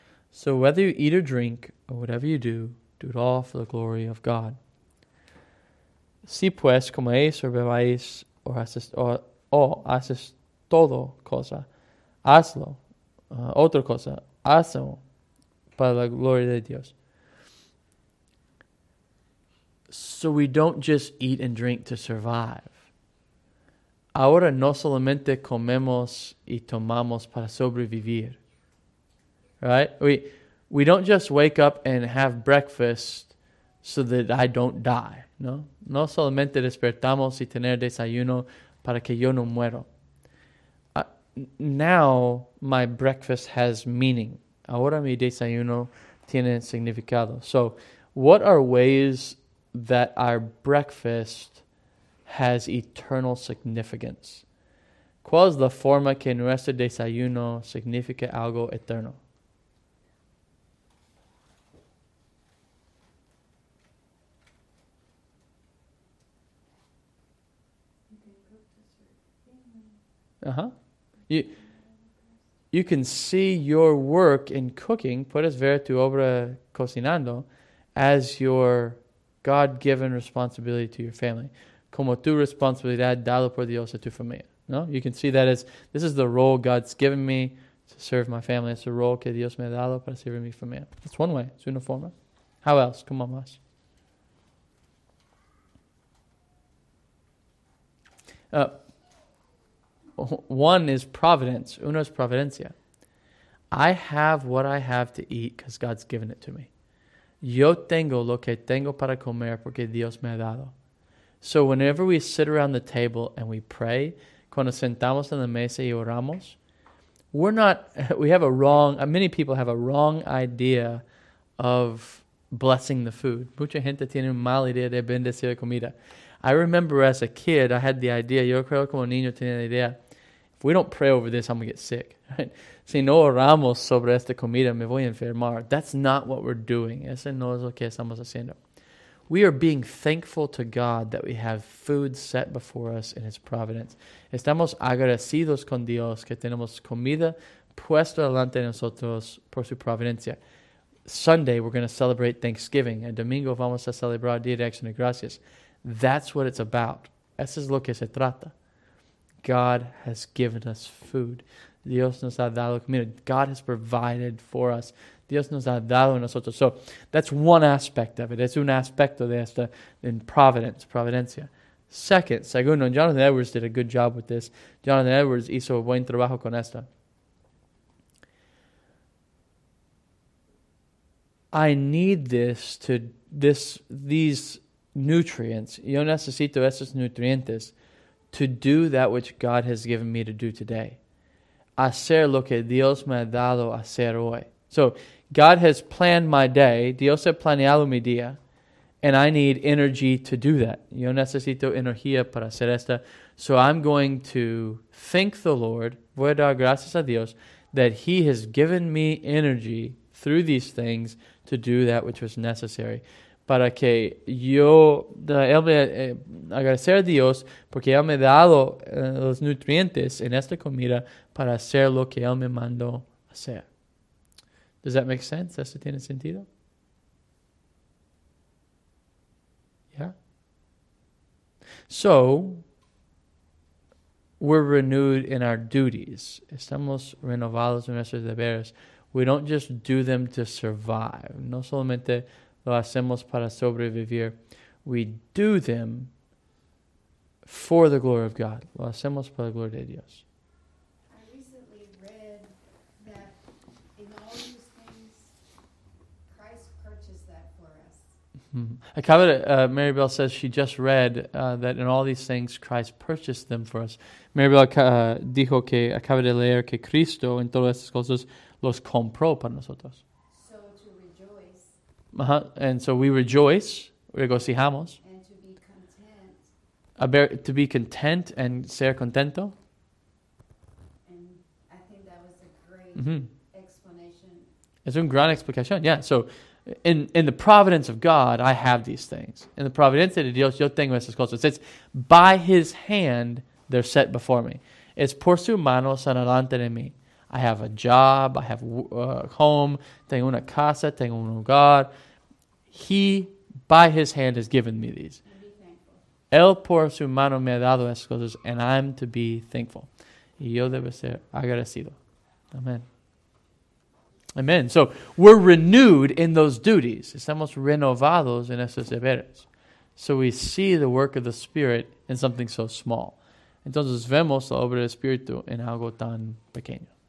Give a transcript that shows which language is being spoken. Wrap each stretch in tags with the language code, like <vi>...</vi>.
<en>So whether you eat or drink, or whatever you do, do it all for the glory of God.</en> <es>Si pues comáis o bebáis o haces todo cosa, hazlo, otra cosa, hazlo para la gloria de Dios.</es> <en>So we don't just eat and drink to survive.</en> <es>Ahora no solamente comemos y tomamos para sobrevivir.</es> <en>Right? We don't just wake up and have breakfast so that I don't die.</en> <es>No, no solamente despertamos y tener desayuno para que yo no muero.</es> <en>Now my breakfast has meaning.</en> <es>Ahora mi desayuno tiene significado.</es> <en>So what are ways that our breakfast has eternal significance?</en> <es>¿Cuál es la forma que nuestro desayuno significa algo eterno?</es> <en>You can see your work in cooking,</en> <es>puedes ver tu obra cocinando,</es> <en>as your God-given responsibility to your family.</en> <es>Como tu responsabilidad dado por Dios a tu familia. No?</es> <en>You can see that as, this is the role God's given me to serve my family. It's the role</en> <es>que Dios me ha dado para servir mi familia.</es> <en>That's one way.</en> <es>Es una forma.</es> <en>How else?</en> <es>Como más.</es> <en>One is providence.</en> <es>Uno es providencia.</es> <en>I have what I have to eat because God's given it to me.</en> <es>Yo tengo lo que tengo para comer porque Dios me ha dado.</es> <en>So whenever we sit around the table and we pray,</en> <es>cuando sentamos en la mesa y oramos,</es> <en>many people have a wrong idea of blessing the food.</en> <es>Mucha gente tiene una mala idea de bendecir la comida.</es> <en>I remember as a kid, I had the idea,</en> <es>yo creo como niño tenía la idea,</es> <en>if we don't pray over this, I'm going to get sick. Right?</en> <es>Si no oramos sobre esta comida, me voy a enfermar.</es> <en>That's not what we're doing.</en> <es>Ese no es lo que estamos haciendo.</es> <en>We are being thankful to God that we have food set before us in His providence.</en> <es>Estamos agradecidos con Dios que tenemos comida puesta delante de nosotros por su providencia.</es> <en>Sunday, we're going to celebrate Thanksgiving.</en> <es>El domingo vamos a celebrar Día de Acción de Gracias.</es> <en>That's what it's about.</en> <es>Eso es lo que se trata.</es> <en>God has given us food.</en> <es>Dios nos ha dado comida.</es> <en>God has provided for us.</en> <es>Dios nos ha dado nosotros.</es> <en>So that's one aspect of it.</en> <es>Es un aspecto de esta</es> <en>in providence,</en> <es>providencia.</es> <en>Second,</en> <es>segundo,</es> <en>and</en> <es>Jonathan Edwards did a good job with this. Jonathan Edwards hizo buen trabajo con esta.</es> <en>I need this to, this, these nutrients.</en> <es>Yo necesito esos nutrientes</es> <en>to do that which God has given me to do today.</en> <es>Hacer lo que Dios me ha dado hacer hoy.</es> <en>So, God has planned my day.</en> <es>Dios ha planeado mi día.</es> <en>And I need energy to do that.</en> <es>Yo necesito energía para hacer esta.</es> <en>So I'm going to thank the Lord.</en> <es>Voy a dar gracias a Dios</es> <en>that He has given me energy through these things to do that which was necessary.</en> <es>Para que yo, Él me agradecer a Dios porque Él me ha dado los nutrientes en esta comida para hacer lo que Él me mandó hacer.</es> <en>Does that make sense?</en> <es>¿Eso tiene sentido?</es> <en>So, we're renewed in our duties.</en> <es>Estamos renovados en nuestros deberes.</es> <en>We don't just do them to survive.</en> <es>No solamente lo hacemos para sobrevivir.</es> <en>We do them for the glory of God.</en> <es>Lo hacemos para la gloria de Dios.</es> <en>I recently read that in all these things, Christ purchased that for us. Mary Bell says she just read that in all these things Christ purchased them for us.</en> <es>Mary Bell dijo que acaba de leer que Cristo en todas estas cosas los compró para nosotros.</es> <en>So to rejoice. And so we rejoice,</en> <es>regocijamos.</es> <en>And to be content. To be content and</en> <es>ser contento.</es> <en>And I think that was a great explanation.</en> <es>Es un gran explicación,</es> <en>yeah. So, In the providence of God, I have these things. In the</en> <es>providencia de Dios, yo tengo estas cosas.</es> <en>It's by His hand, they're set before me.</en> <es>Es por su mano, son adelante de mí.</es> <en>I have a job, I have a home, tengo una casa, tengo un hogar. He, by His hand, has given me these.</en> <es>Él por su mano me ha dado estas cosas,</es> <en>and I'm to be thankful.</en> <es>Y yo debo ser agradecido. Amen. Amen.</es> <en>So, we're renewed in those duties.</en> <es>Estamos renovados en esos deberes.</es> <en>So, we see the work of the Spirit in something so small.</en> <es>Entonces, vemos la obra del Espíritu en algo tan pequeño.</es>